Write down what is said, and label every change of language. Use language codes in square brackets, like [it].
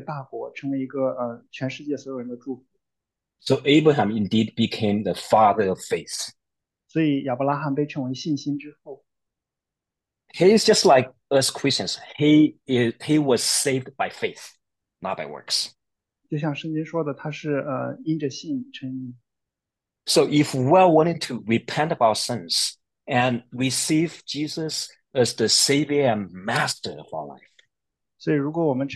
[zh] 那神所呼召亚伯拉罕，他的所得到的好处，就是要让亚伯拉罕成为一个大国，成为一个全世界所有人的祝福。 [en] So Abraham indeed became the father of faith. [zh] 所以亚伯拉罕被称为信心之父。 [en] He is just like us Christians. He was saved by faith, not by works. [zh] 就像圣经说的，他是因着信称义。 [en] So if we are willing to repent of our sins and receive Jesus as the Savior and Master of our life,